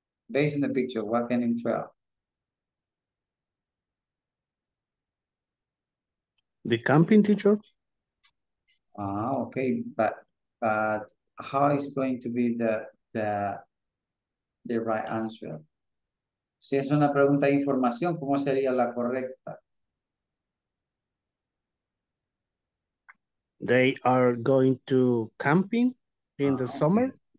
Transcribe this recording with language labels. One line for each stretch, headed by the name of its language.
English: Based on the picture, what can infer? The camping, teacher. Okay, but how is going to be the right answer?
Spanish: Si es una pregunta de información, ¿cómo sería la correcta?
English: They are going to camping in the summer.